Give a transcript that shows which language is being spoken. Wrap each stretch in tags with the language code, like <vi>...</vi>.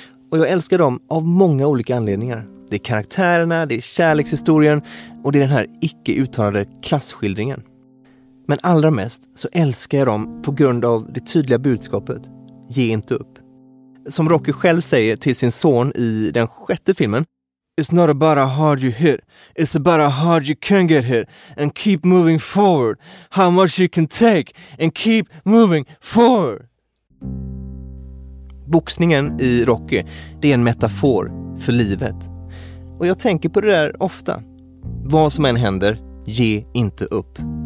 <sv>Och jag älskar dem av många olika anledningar. Det är karaktärerna, det är kärlekshistorien och det är den här icke-uttalade klassskildringen. Men allra mest så älskar jag dem på grund av det tydliga budskapet. Ge inte upp. Som Rocky själv säger till sin son i den sjätte filmen.</sv> <en>It's not about how you hit. It's about how you can get hit. And keep moving forward. How much you can take. And keep moving forward.</en> <sv>Boxningen i Rocky, det är en metafor för livet. Och jag tänker på det där ofta. Vad som än händer, ge inte upp.</sv>